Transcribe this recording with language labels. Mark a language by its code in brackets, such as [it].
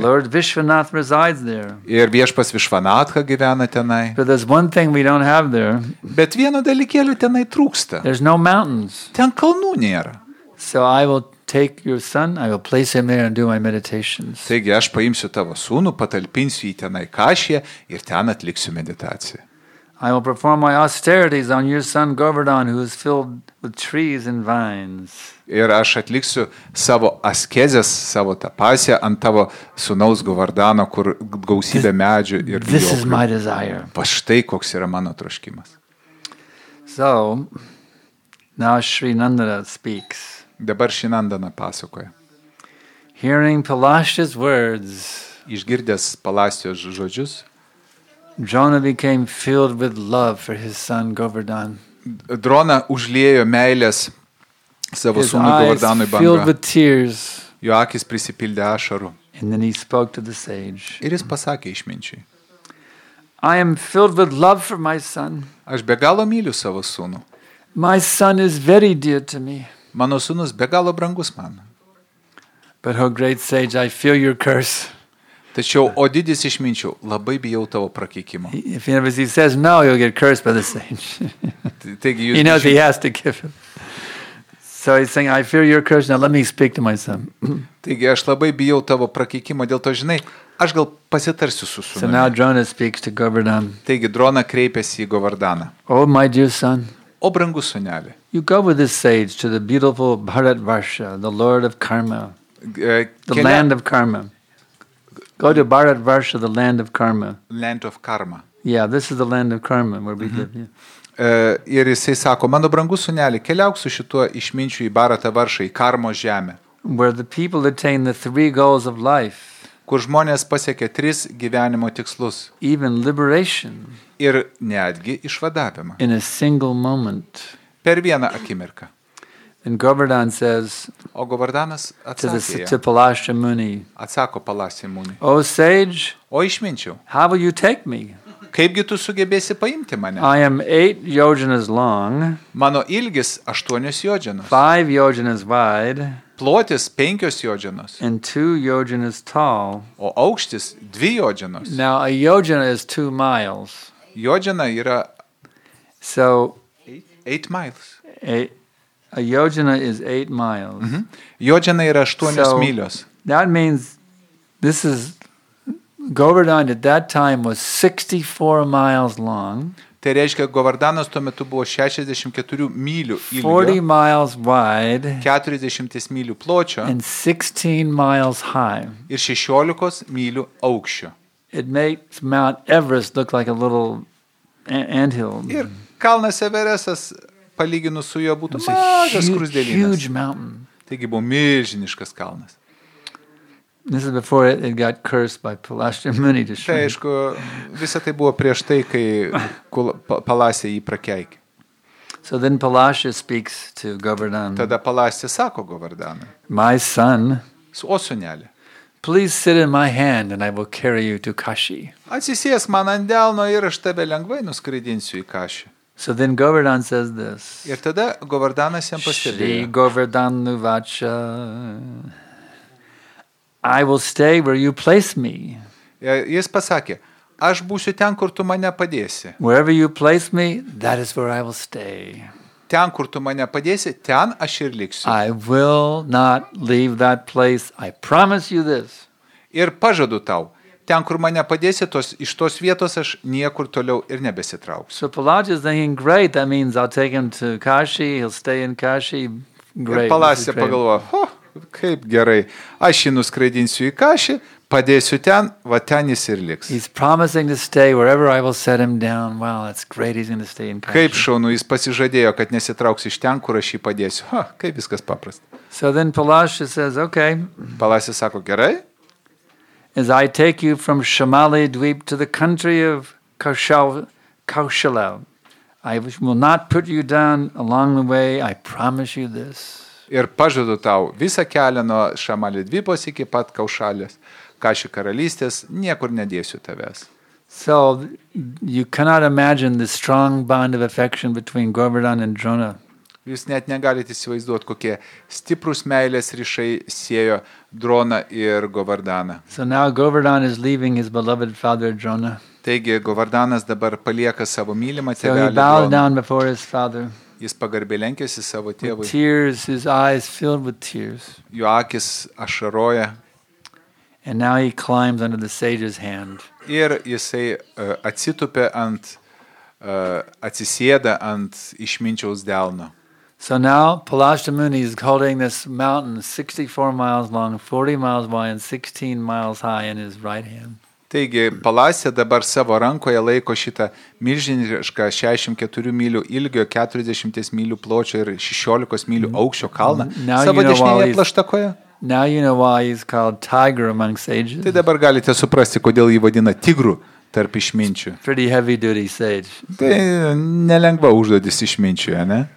[en] Lord Vishwanath resides there. [lt] Ir viešpas Vishwanatha gyvena tenai. [en] But there's one thing we don't have there. [lt] Bet vieno dalykėlio tenai trūksta. [en] There's no mountains. [lt] Ten kalnų nėra. [en] So I will take your son, I will place him there and do my meditations. [lt] Taigi aš paimsiu tavo sūnų, patalpinsiu jį tenai Kašyje ir ten atliksiu meditaciją. [en] I will perform my austerities on your son Govardhan, who is filled with trees and vines. [lt] Ir aš atliksiu savo askezes, savo tapasę ant tavo sūnaus Govardhano, kur gausybė medžių ir vijoklių. [en] This is my desire. [lt] Va štai koks yra mano troškimas. [en] So, now Sri Nandana speaks. [lt] Dabar Sri Nandana pasakoja. [en] Hearing Palasya's words. [lt] Išgirdęs Palasyos žodžius. [en] Drona became filled with love for his son Govardhan. [lt] Drona užliejo meilės savo sūnui Govardhanui banga. [en] Filled with tears. [lt] Jo akis prisipildė ašarų. [en] And then he spoke to the sage. [lt] Ir jis pasakė išminčiai. [en] I am filled with love for my son. [lt] Aš be galo myliu savo sūnų. [en] My son is very dear to me. [lt] Mano sūnus be galo brangus man. [en] But oh great sage, I feel your curse. [lt] Tačiau, o didis išminčių, labai bijau tavo prakeikimo. [en] If he says no, you'll get cursed by the sage. [lt] Taigi, [en] he knows he has to give him. So he's saying, I fear your curse, now let me speak to my son. [lt] Taigi, aš labai bijau tavo prakeikimo, dėl to, žinai, aš gal pasitarsiu su sūnumi. [en] So now Drona speaks to Govardhan. [lt] Taigi, Drona kreipiasi į Govardhaną. [en] Oh, my dear son. [lt] O brangus sūnelį. [en] You go with this sage to the beautiful Bharatvarsha, the lord of karma, the land of karma. Go to Bharatvarsha, the land of karma. Land of karma. Yeah, this is the land of karma where we live. Yeah. [lt] Ir jisai sako, mano brangus sunelį, keliauk su šituo išminčiu į Bharata Varšą, į karmo žemę. [en] Where the people attain the three goals of life. [lt] Kur žmonės pasiekia tris gyvenimo tikslus. [en] Even liberation. [lt] Ir netgi išvadavimą. [en] In a single moment. [lt] Per vieną akimirką. [en] And Govardhan says, [lt] o Govardhanas atsakė, [en] to Palashya Muni, [lt] atsako Palashya Muni, [en] o sage, [lt] o išminčiau, [en] how will you take me? [lt] Kaipgi tu sugebėsi paimti mane? [en] I am 8 yojanas long, [lt] mano ilgis 8 yojanas, [en] 5 yojanas wide, [lt] plotis 5 yojanas, [en] and 2 yojanas tall, [lt] o aukštis 2 yojanas. [en] Now a yojana is 2 miles. [lt] Yojana yra [en] so 8 miles. A yojana is 8 miles. [lt] Yojana yra 8 mylios. [en] That means this is Govardhan at that time was 64 miles long. [lt] Tai reiškia, Govardhanas tuo metu buvo 64 mylių ilgio. [en] 40 miles wide. [lt] 40 mylių pločio. [en] And 16 miles high. [lt] Ir 16 mylių aukščio. [en] It makes Mount Everest look like a little anthill. [lt] Ir kalnas Everestas palyginus su juo būtų mažas skruzdėlynas. [en] Huge mountain. [lt] Taigi buvo milžiniškas kalnas. [en] This is before it got cursed by Palashya Muni to Shri. [lt] Tai aišku, visa tai buvo prieš tai, kai Palashya jį prakeikė. [en] So then Palashya speaks to Govardhan. [lt] Tada Palashya sako Govardhanui. [en] My son. [lt] O sunelė. [en] Please sit in my hand and I will carry you to Kashi. [lt] Atsisės man ant delno ir aš tave lengvai nuskraidinsiu į Kashi. [en] So then Govardhan says this. [lt] Ir tada Govardhanas jam pasidėjo. [sa] Shri Govardhan Nuvacha. [en] I will stay where you place me. [lt] Jis pasakė, aš būsiu ten, kur tu mane padėsi. [en] Wherever you place me, that is where I will stay. [lt] Ten, kur tu mane padėsi, ten aš ir liksiu. [en] I will not leave that place. I promise you this. [lt] Ir pažadu tau, ten, kur mane padėsi, iš tos vietos aš niekur toliau ir nebesitrauksiu. [en] So Palashya is thinking, great, that means I'll take him to Kashi, he'll stay in Kashi. Great. [lt] Ir Palashya pagalvo, kaip gerai, aš jį nuskraidinsiu į Kašį, padėsiu ten, va ten jis ir liks. [en] He's promising to stay wherever I will set him down. Well, that's great, he's going to stay in Kashi. [lt] Kaip šaunu, jis pasižadėjo, kad nesitrauks iš ten, kur aš jį padėsiu. Ha, kaip viskas paprasta. [en] So then Palashya says, okay. [lt] Palashya sako, gerai. [en] As I take you from Shamali Dweep to the country of Kaushala, I will not put you down along the way, I promise you this. [lt] Ir pažadu tau visą kelią nuo Šamali Dvipos iki pat Kaušalės, Kaši karalystės, niekur nedėsiu tavęs. [en] So, you cannot imagine the strong bond of affection between Govardhan and Drona. [lt] Jūs net negalite įsivaizduoti, kokie stiprus meilės ryšai siejo Droną ir Govardhaną. [en] So now Govardhan is leaving his beloved father Drona. [lt] Taigi Govardhanas dabar palieka savo mylimą tėvelį [en] Droną. So he bowed down before his father. [lt] Jis pagarbiai lenkėsi savo tėvui. [en] With tears, his eyes filled with tears. [lt] Jo akis ašaroja. [en] And now he climbs under the sage's hand. [lt] Ir jisai atsitupė ant, atsisėda ant išminčiaus delno. [en] So now Palashya Muni is holding this mountain 64 miles long, 40 miles wide and 16 miles high in his right hand. [lt] Taigi, Palashya dabar savo rankoje laiko šitą milžinišką 64 mylių ilgio, 40 mylių pločio ir 16 mylių aukščio kalną savo dešinėje plaštakoje. [en] Now you know why he's called tiger among sages. [lt] Tai dabar galite suprasti, kodėl jį vadina tigru tarp išminčių. [en] Pretty heavy duty sage. [lt] Tai nelengva užduotis išminčiuje, ne?